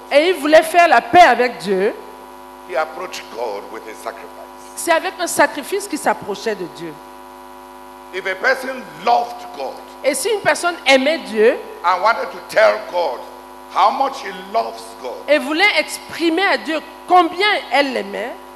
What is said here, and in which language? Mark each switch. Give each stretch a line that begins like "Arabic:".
French: et il voulait faire la paix avec Dieu,
English: he approached God with a sacrifice.
French: C'est avec un sacrifice qu'il s'approchait de Dieu.
English: If a person loved God,
French: et si une personne aimait Dieu,
English: and wanted to tell God how much he loves God,
French: et voulait exprimer à Dieu combien elle l'aimait,